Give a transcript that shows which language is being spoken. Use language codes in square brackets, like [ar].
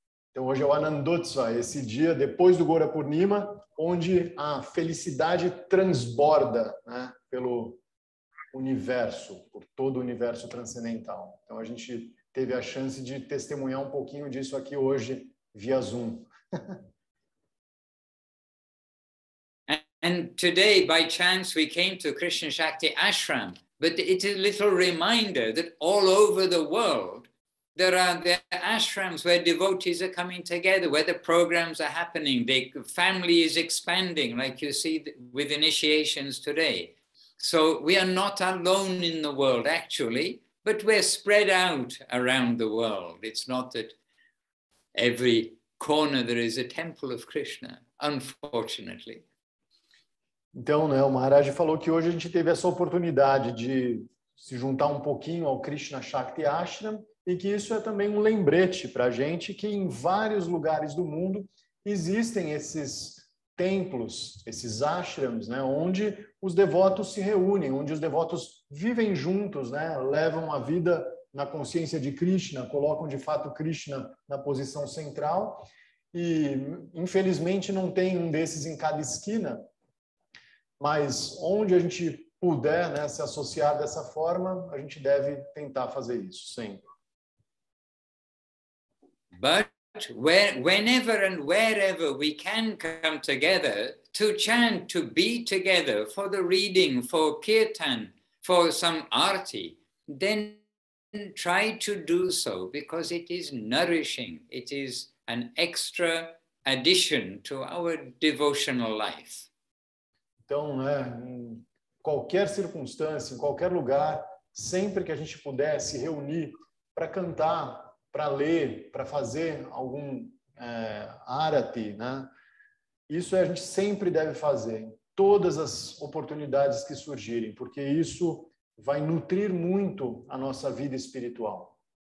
[pt] Então hoje é o Anandotsav, esse dia depois do Gaura Purnima, onde a felicidade transborda, né, pelo universo, por todo o universo transcendental. Então a gente teve a chance de testemunhar um pouquinho disso aqui hoje via Zoom. [en] And today, by chance, we came to Krishna Shakti Ashram. But it is a little reminder that all over the world, there are ashrams where devotees are coming together, where the programs are happening, the family is expanding, like you see with initiations today. So we are not alone in the world, actually, but we're spread out around the world. It's not that every corner there is a temple of Krishna, unfortunately. [pt] Então, né, o Maharaj falou que hoje a gente teve essa oportunidade de se juntar um pouquinho ao Krishna Shakti Ashram e que isso é também um lembrete para a gente que em vários lugares do mundo existem esses templos, esses ashrams, né, onde os devotos se reúnem, onde os devotos vivem juntos, né, levam a vida na consciência de Krishna, colocam de fato Krishna na posição central e, infelizmente, não tem um desses em cada esquina. Mas onde a gente puder, né, se associar dessa forma, a gente deve tentar fazer isso sempre. [en] But whenever and wherever we can come together to chant, to be together for the reading, for kirtan, for some arti, then try to do so because it is nourishing. It is an extra addition to our devotional life. [pt] Então, né, em qualquer circunstância, em qualquer lugar, sempre que a gente puder se reunir para cantar, para ler, para fazer algum arati, né, isso a gente sempre deve fazer, em todas as oportunidades que surgirem, porque isso vai nutrir muito a nossa vida espiritual.